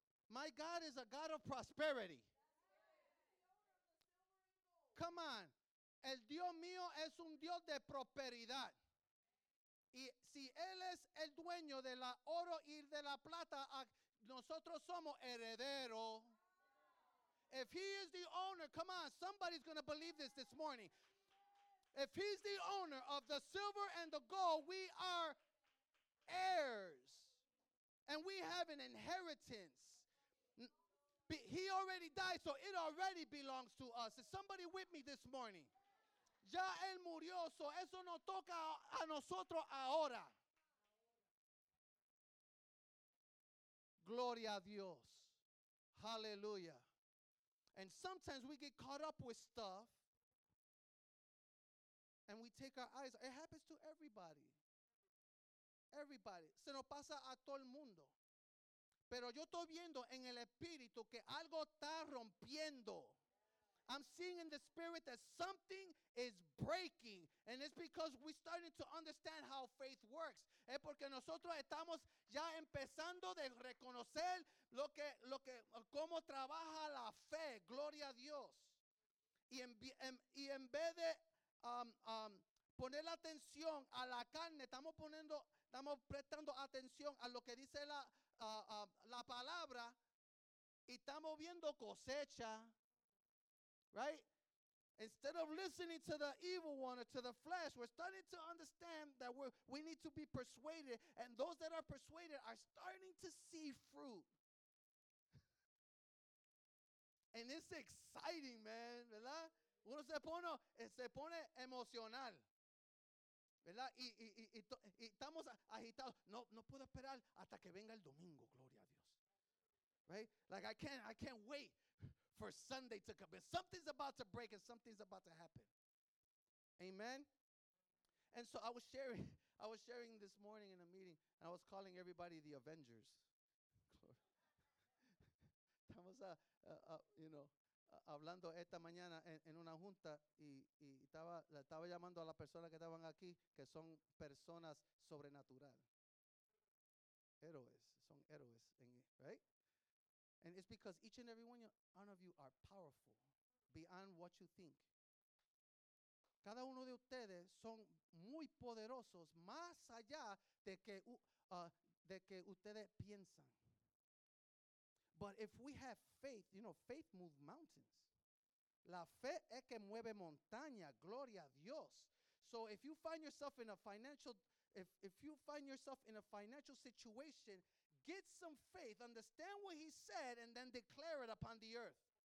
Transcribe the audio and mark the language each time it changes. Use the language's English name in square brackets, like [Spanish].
[English] My God is a God of prosperity. Come on. [Spanish] El Dios mío es un Dios de prosperidad. Y si él es el dueño de la oro y de la plata, nosotros somos herederos. [English] If he is the owner, come on, somebody's going to believe this morning. If he's the owner of the silver and the gold, we are heirs. And we have an inheritance. He already died, so it already belongs to us. Is somebody with me this morning? [Spanish] Ya él murió, [English] so [Spanish] eso no toca a nosotros ahora. Gloria a Dios. Hallelujah. [English] And sometimes we get caught up with stuff and we take our eyes. It happens to everybody. Everybody. [Spanish] Se nos pasa a todo el mundo. Pero yo estoy viendo en el espíritu que algo está rompiendo. [English] I'm seeing in the spirit that something is breaking. And it's because we're starting to understand how faith works. [Spanish] Es porque nosotros estamos ya empezando de reconocer lo que cómo trabaja la fe. Gloria a Dios. Y en vez de poner atención a la carne, estamos prestando atención a lo que dice la palabra. Y estamos viendo cosecha. [English] Right? Instead of listening to the evil one or to the flesh, we're starting to understand that we need to be persuaded, and those that are persuaded are starting to see fruit. And it's exciting, man, [Spanish] ¿verdad? Uno se pone emocional, ¿verdad? Y estamos agitados. No puedo esperar hasta que venga el domingo, gloria a Dios. [English] Right? Like I can't wait for Sunday to come. And something's about to break and something's about to happen. Amen. And so I was sharing this morning in a meeting, and I was calling everybody the Avengers. That was [Spanish] hablando esta mañana en una junta y estaba llamando a las personas que estaban aquí que son personas sobrenatural. Héroes, son héroes, [English] right? And it's because each and every one of you are powerful beyond what you think. [Spanish] Cada uno de ustedes son muy poderosos más allá de que ustedes piensan. [English] But if we have faith, you know, faith moves mountains. [Spanish] La fe es que mueve montaña, gloria a Dios. [English] So if you find yourself in a financial, if you find yourself in a financial situation, get some faith, understand what he said, and then declare it upon the earth.